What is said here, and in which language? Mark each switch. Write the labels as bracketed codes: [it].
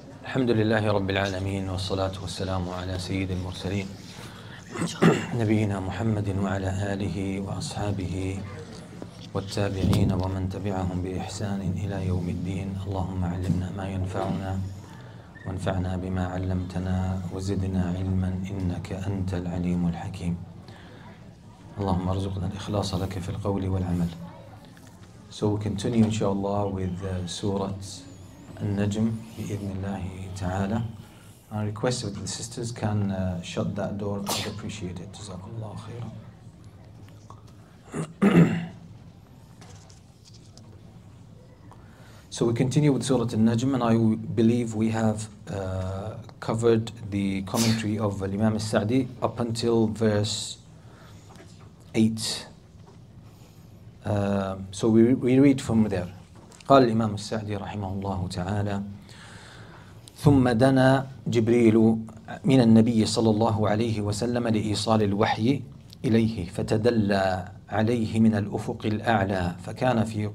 [ar] الحمد لله رب العالمين والصلاة والسلام على سيد المرسلين نبينا محمد وعلى آله وأصحابه والتابعين ومن تبعهم بإحسان إلى يوم الدين. اللهم علمنا ما ينفعنا وانفعنا بما علمتنا وزدنا علما إنك أنت العليم الحكيم. اللهم ارزقنا الإخلاص لك في القول والعمل. [en] So we continue inshallah with Surah النجم [ar] بإذن الله تعالى. [en] I request that the sisters can shut that door. I'd appreciate it. [ar] جزاكم الله خيرا. [en] So we continue with Surah النجم, and I believe we have covered the commentary of Imam al-Sa'di up until verse 8. So we read from there. [ar] قال الإمام السعدي رحمه الله تعالى: ثم دنا جبريل من النبي صلى الله عليه وسلم لإيصال الوحي إليه, فتدلى عليه من الأفق الأعلى, فكان